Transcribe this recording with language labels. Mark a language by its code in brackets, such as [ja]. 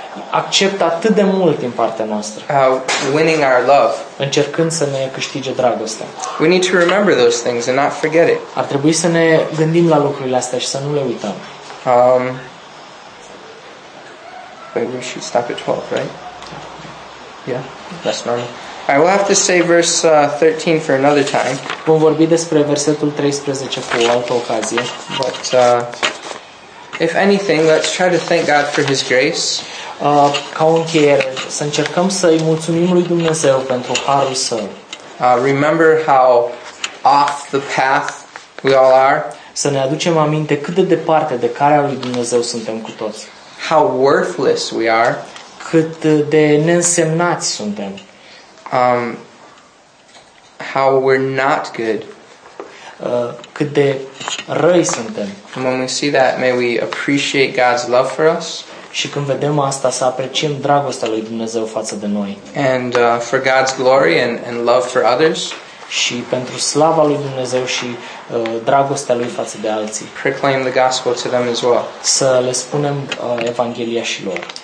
[ro] Accept atât de mult din partea noastră. [en] Winning our love. [ro] Încercând să ne câștige dragostea. [en] We need to remember those things and not forget it. [ro] Ar trebui să ne gândim la lucrurile astea și să nu le uităm. [en] Wait, we should stop at 12, right? Yeah, that's normal. I will have to say verse 13 for another time. [ro] Vom vorbi despre versetul 13 cu o altă ocazie. [en] But if anything, let's try to thank God for His grace. [ro] Ca o încheiere, să încercăm să-i mulțumim lui Dumnezeu pentru harul său. [en] Remember how off the path we all are. [ro] Să ne aducem aminte cât de departe de calea lui Dumnezeu suntem cu toți. [en] How worthless we are. [ro] Cât de neînsemnați suntem. [en] How we're not good. [ro] Cât de răi suntem. [en] And when we see that, may we appreciate God's love for us. [ro] Și când vedem asta, să apreciem dragostea lui Dumnezeu față de noi. [en] And for God's glory and love for others. [ro] Și pentru slava lui Dumnezeu și dragostea lui față de alții. [en] Proclaim the gospel to them as well. [ro] Să le spunem Evanghelia și lor.